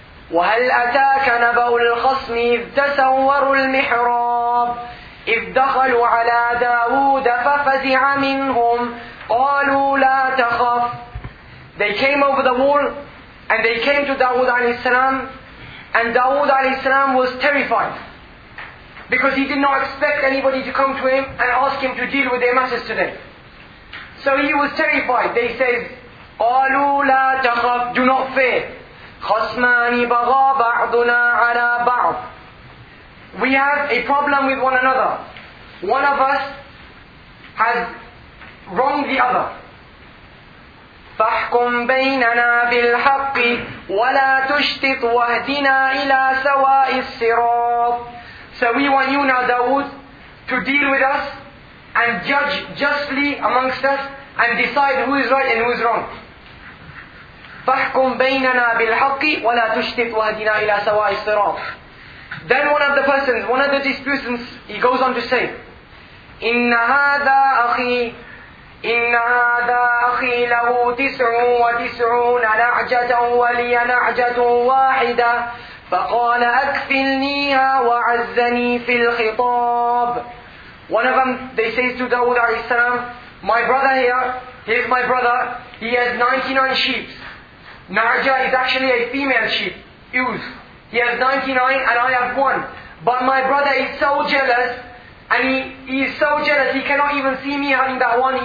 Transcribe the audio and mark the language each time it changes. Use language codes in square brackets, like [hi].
[ar] وَهَلْ أَتَاكَ نَبَأُ الْخَصْمِ إِذْ تَسَوَّرُوا الْمِحْرَابِ إِذْ دَخَلُوا عَلَى دَاوُودَ فَفَزِعَ مِنْهُمْ قَالُوا لَا تَخَفْ. [en] They came over the wall and they came to Dawood alayhi salam, and Dawood alayhi salam was terrified because he did not expect anybody to come to him and ask him to deal with their matters today. So he was terrified. They said, [ar] قَالُوا لَا تَخَفْ. [en] Do not fear. [ar] خَصْمَانِ بَغَى بَعْضُنَا عَلَى بَعْضٍ. [en] We have a problem with one another. One of us has wronged the other. [ar] فَحْكُمْ بَيْنَنَا بِالْحَقِّ وَلَا تُشْتِطْ وَهْدِنَا إِلَى سَوَاءِ الصِّرَاطِ. [en] So we want you now, Dawood, to deal with us and judge justly amongst us and decide who is right and who is wrong. [ar] فَحْكُمْ بَيْنَنَا بِالْحَقِّ وَلَا تُشْتِطْ وَهْدِنَا إِلَى سَوَاءِ الصِّرَاطِ. [en] Then one of the disputants, he goes on to say, [ar] إِنَّ هَذَا أَخِي إِنَّ هَذَا أَخِي لَهُ تِسْعٌ وَتِسْعُونَ نَعْجَةً وَلِيَ نَعْجَةٌ وَاحِدَةٌ فَقَالَ أَكْفِلْنِيهَا وَعَزَّنِي فِي الْخِطَابِ. [en] One of them, they say to Dawood alayhi salam, my brother here, here's my brother, he has 99 sheep. Naja is actually a female sheep, ewes. He has 99 and I have one. But my brother is so jealous, and he is so jealous, he cannot even see me having that one.